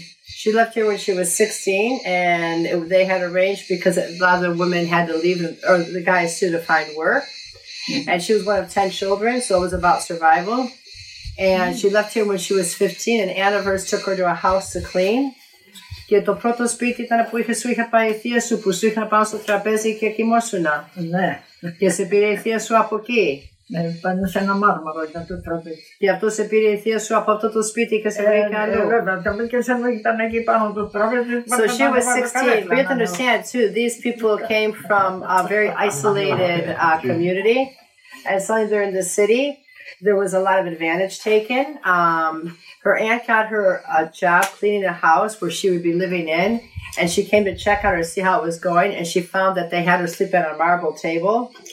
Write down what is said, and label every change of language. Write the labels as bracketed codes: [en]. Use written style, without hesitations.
[en] She left here when she was 16, and they had arranged because a lot of the women had to leave, or the guys too, to find work. And she was one of 10 children, so it was about survival. And she left here when she was 15, and aunt of hers took her to a house to clean. [el] Και το πρώτο σπίτι ήταν που είχε σου είχε πάει η θεία σου, που σου είχε πάει στο τραπέζι και κοιμόσουνα. Ναι. Και σε πήρε η θεία σου από εκεί. Πάνω σε ένα μάρμαρο ήταν το τραπέζι. Και αυτό σε πήρε η θεία σου από αυτό το σπίτι και σε βρήκε αλλού. Βέβαια, τα μήκες ήταν εκεί πάνω το τραπέζι. [en] So she was 16. We have to understand too, these people came from a very isolated community. And suddenly they're in the city. There was a lot of advantage taken. Her aunt got her a job cleaning a house where she would be living in. And she came to check on her to see how it was going. And she found that they had her sleep at a marble table.